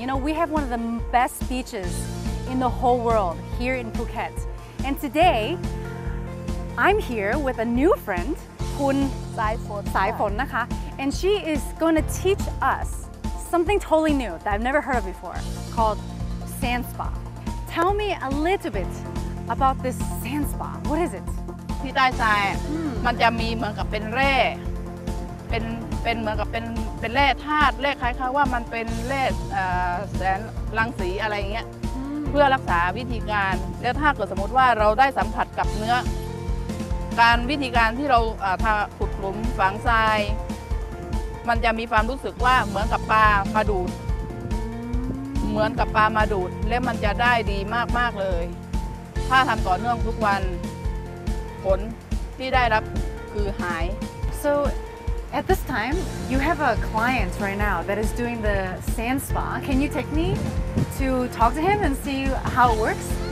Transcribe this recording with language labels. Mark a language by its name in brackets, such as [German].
[English] You know, we have one of the best beaches in the whole world here in Phuket. And today, I'm here with a new friend, Khun Saiphon, nakha. And she is going to teach us something totally new that I've never heard of before, called sand spa. Tell me a little bit about this sand spa. What is it? [Thai] ที่ใต้ทรายมันจะมีเหมือนกับเป็นแร่เป็นเหมือนกับเป็นแร่ธาตุแร่คล้ายๆว่ามันเป็นแร่แสงรังสีอะไรอย่างเงี้ยเพื่อรักษาวิธีการแล้วถ้าเกิดสมมติว่าเราได้สัมผัสกับเนื้อการวิธีการที่เราทำขุดหลุมฝังทรายมันจะมีความรู้สึกว่าเหมือนกับปลามาดูด เหมือนกับปลามาดูดและมันจะได้ดีมากมากเลยถ้าทำต่อเนื่องทุกวันผลที่ได้รับคือหาย [English] So at this time you have a client right now that is doing the sand spa. Can you take me to talk to him and see how it works?